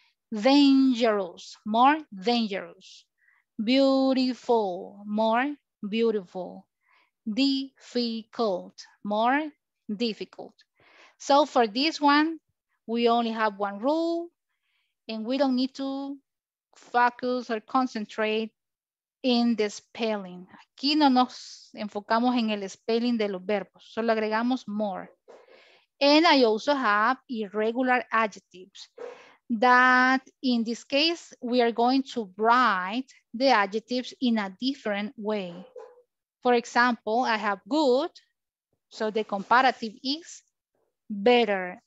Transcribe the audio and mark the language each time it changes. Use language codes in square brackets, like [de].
[en] Dangerous, more dangerous. Beautiful, more beautiful. Difficult, more difficult. So for this one, we only have one rule and we don't need to focus or concentrate in the spelling. [es] Aquí no nos enfocamos en el spelling de los verbos, solo agregamos more. [en] And I also have irregular adjectives that in this case, we are going to write the adjectives in a different way. For example, I have good, so the comparative is better.